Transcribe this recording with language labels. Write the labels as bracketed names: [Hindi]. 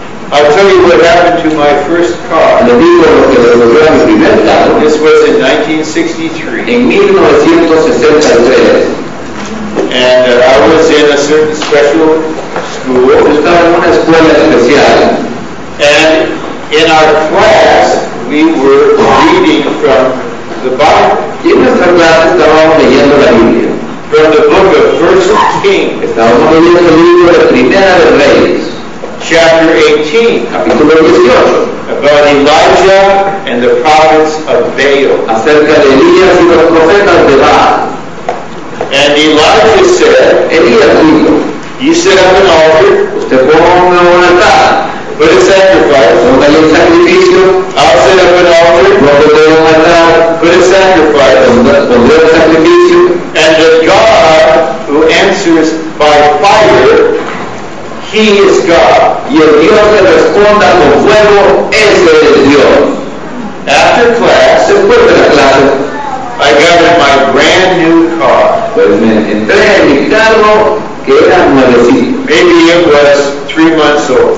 [English] I'll tell you what happened to my first car. [Spanish] Le digo lo que le ocurrió a mi primer carro. [English] This was in [Spanish] 1963. En 1963. [English] And I was in a certain special school. [Spanish] Estaba en una escuela especial. [English] And in our class, we were reading from the Bible. [Spanish] Y en nuestra clase estábamos leyendo la Biblia. [English] From the book of 1 Kings. [Spanish] Estábamos leyendo el libro de Primera de Reyes. [English] Chapter 18. [Spanish] Capítulo 18. [English] About Elijah and the prophets of Baal. [Spanish] Acerca de Elías y los profetas de Baal. [English] And Elijah said, [Spanish] Elías dijo, [English] you set up an altar, [Spanish] usted ponga un altar, [English] put a sacrifice, [Spanish] ponga un sacrificio, [English] I'll set up an altar, [Spanish] ponga un altar, [English] put a sacrifice, [Spanish] ponga un sacrificio, [English] and the God who answers by fire, He is God. [Spanish] Y el Dios que responda con fuego, ese es Dios. [English] After class, [Spanish] después de la clase, [English] I got in my brand new car. [Spanish] Pues me entré en mi carro que era nuevecito. [English] Maybe it was 3 months old.